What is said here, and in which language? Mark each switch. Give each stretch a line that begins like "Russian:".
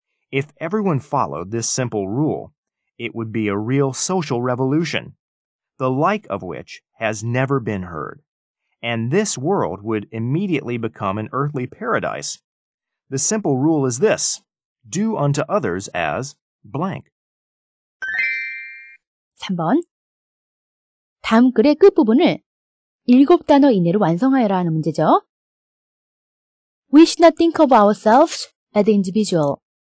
English: If everyone followed this simple rule, it would be a real social revolution, the like of which has never been heard, and this world would immediately become an earthly paradise. The simple rule is this, do unto others as blank.
Korean: 3번 다음 글의 끝부분을 일곱 단어 이내로 완성하여라 하는 문제죠.
English: We should not think of ourselves as individual.